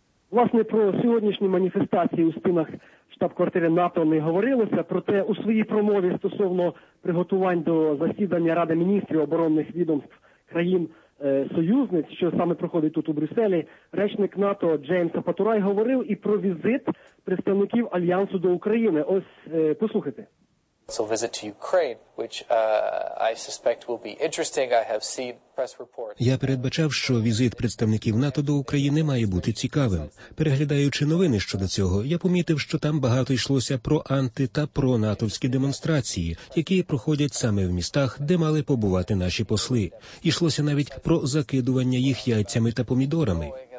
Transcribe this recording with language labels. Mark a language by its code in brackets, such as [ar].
[uk] Власне, про сьогоднішні маніфестації у стінах штаб-квартири НАТО не говорилося. Проте у своїй промові стосовно приготувань до засідання Ради міністрів оборонних відомств країн-союзниць, що саме проходить тут у Брюсселі, речник НАТО Джеймс Апатурай говорив і про візит представників Альянсу до України. Ось, послухайте. [en] Visit to Ukraine, which I suspect will be interesting. I have seen press reports. [uk] Я передбачав, що візит представників НАТО до України має бути цікавим. Переглядаючи новини щодо цього, я помітив, що там багато йшлося про анти- та про натовські демонстрації, які проходять саме в містах, де мали побувати наші посли. Йшлося навіть про закидування їх яйцями та помідорами.